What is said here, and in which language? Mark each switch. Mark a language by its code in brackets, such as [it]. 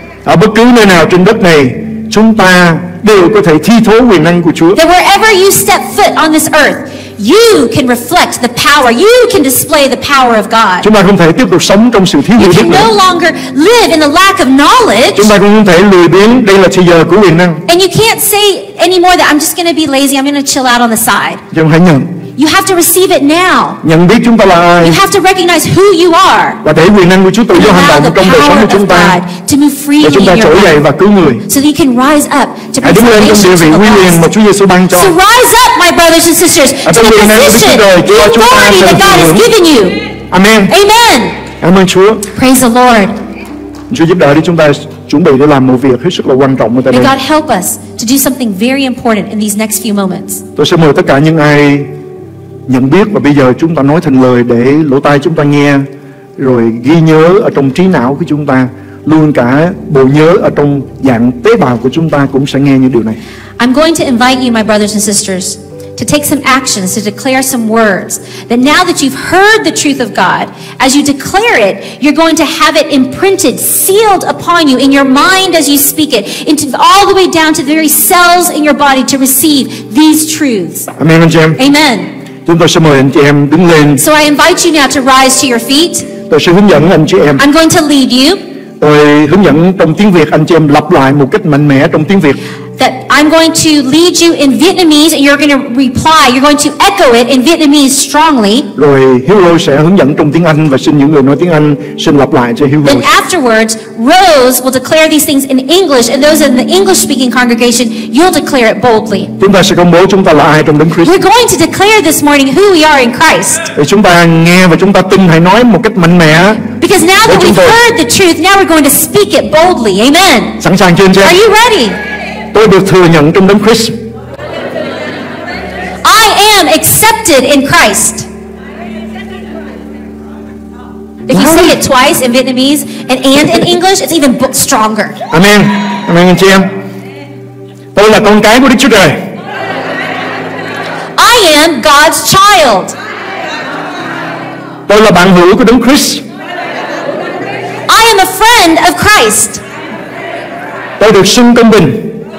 [vi] Ở bất cứ nơi nào trên đất này, chúng ta đều có thể thi thố quyền năng của Chúa. [en] That wherever you step foot on this earth, you can reflect the power, you can display the power of God. [vi] Chúng ta không thể tiếp tục sống trong sự thiếu hiểu biết. [en] You can no longer live in the lack of knowledge. [vi] Chúng ta cũng không thể lười biếng, đây là thời giờ của quyền năng. [en] And you can't say anymore that I'm just going to be lazy, I'm going to chill out on the side. [vi] Chúng ta hãy nhận. [en] You have to receive it now. [vi] Nhận biết chúng ta là ai. [en] You have to recognize who you are. [vi] Và để quyền năng của Chúa tự do hành động trong đời sống của chúng ta. [en] To move freely. [vi] Để chúng ta trỗi dậy và cứu người. [en] So that you can rise up to bring salvation to the lost. [vi] Chúa Giêsu ban cho. [en] So rise up, my brothers and sisters, to the position, the authority that God has given you. Amen. Amen. [vi] Cảm ơn Chúa. [en] Praise the Lord. [vi] Chúa giúp đỡ đi chúng ta chuẩn bị để làm một việc hết sức là quan trọng ở đây. [en] May God help us to do something very important in these next few moments. [vi] Tôi sẽ mời tất cả những ai nhận biết và bây giờ chúng ta nói thành lời để lỗ tai chúng ta nghe rồi ghi nhớ ở trong trí não của chúng ta, luôn cả bộ nhớ ở trong dạng tế bào của chúng ta cũng sẽ nghe những điều này. [en] I'm going to invite you, my brothers and sisters, to take some actions, to declare some words that now that you've heard the truth of God, as you declare it, you're going to have it imprinted, sealed upon you in your mind as you speak it, into all the way down to the very cells in your body to receive these truths. Amen, Jim. Amen. [vi] Chúng tôi sẽ mời anh chị em đứng lên. [en] So I invite you now to rise to your feet. [vi] Tôi sẽ hướng dẫn anh chị em. [en] I'm going to lead you. [vi] Tôi hướng dẫn trong tiếng Việt, anh chị em lặp lại một cách mạnh mẽ trong tiếng Việt. [en] That I'm going to lead you in Vietnamese and you're going to reply. You're going to echo it in Vietnamese strongly. [vi] Rồi Hero sẽ hướng dẫn trong tiếng Anh và xin những người nói tiếng Anh xin lặp lại cho Hero. [en] Then afterwards, Rose will declare these things in English and those in the English speaking congregation, you'll declare it boldly. [vi] Chúng ta sẽ công bố chúng ta là ai trong Đấng Christ. [en] We're going to declare this morning who we are in Christ. [vi] Để chúng ta nghe và chúng ta tin hãy nói một cách mạnh mẽ. [en] Because now that we've heard the truth, now we're going to speak it boldly. Amen. [vi] Sẵn sàng chưa anh chị? [en] Are you ready? [vi] Tôi được thừa nhận trong Đấng Christ. [en] I am accepted in Christ. If you say it twice in Vietnamese and in English, it's even stronger. [vi] Amen. Amen anh chị em. Tôi là con cái của Đức Chúa Trời. [en] I am God's child. [vi] Tôi là bạn hữu của Đấng Christ. [en] I am a friend of Christ. [vi] Tôi được xưng công bình.